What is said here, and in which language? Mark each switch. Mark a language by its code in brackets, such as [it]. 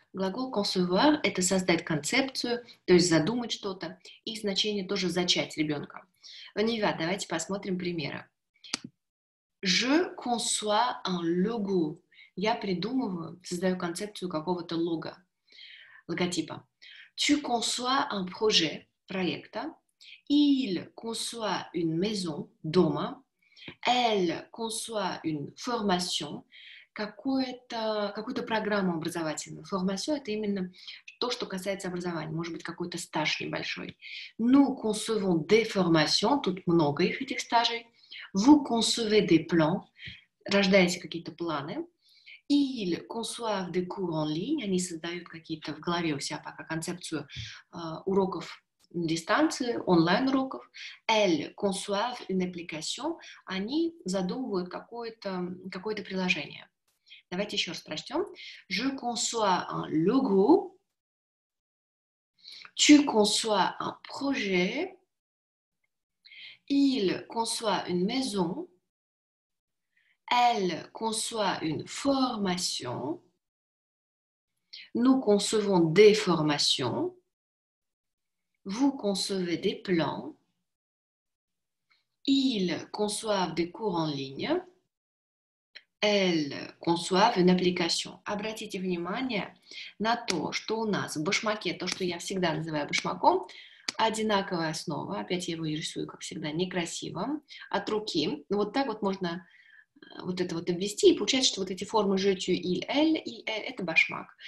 [ru] Глагол concevoir – это создать концепцию, то есть задумать что-то, и значение тоже зачать ребенка. Нива, давайте посмотрим примеры. [fr] Je conçois un logo. [ru] Я придумываю, создаю концепцию какого-то лого, логотипа. [fr] Tu conçois un projet, [ru] проекта. [fr] Il conçoit une maison, [ru] дома. [fr] Elle conçoit une formation, [ru] какую-то программу образовательную. Формацию – это именно то, что касается образования. Может быть, какой-то стаж небольшой. [fr] Nous concevons des formations. [ru] Тут много их, этих стажей. [fr] Vous concevez des plans. [ru] Рождаете какие-то планы. [fr] Ils conçoivent des cours en ligne. [ru] Они создают какие-то в голове у себя пока концепцию уроков на дистанции, онлайн-уроков. [fr] Elles conçoivent une application. [ru] Они задумывают какое-то приложение. Давайте еще раз прочтем. [fr] Je conçois un logo. Tu conçois un projet. Il conçoit une maison. Elle conçoit une formation. Nous concevons des formations. Vous concevez des plans. Ils conçoivent des cours en ligne. Elles conçoivent une application. [ru] Обратите внимание на то, что у нас в башмаке, то, что я всегда называю башмаком, одинаковая основа. Опять я его рисую, как всегда, некрасиво. От руки. Вот так вот можно вот это вот обвести. И получается, что вот эти формы «je», «tu», «il», это башмак.